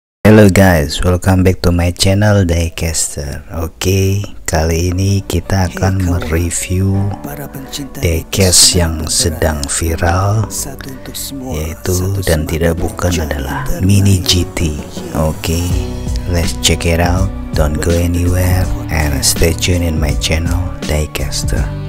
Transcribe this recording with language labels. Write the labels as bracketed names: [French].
[English] Hello guys, welcome back to my channel Diecaster. [Indonesian] Okay, kali ini kita akan mereview Diecast yang sedang viral, yaitu dan tidak bukan adalah Mini GT. [English] Okay, let's check it out. Don't go anywhere and stay tuned in my channel Diecaster.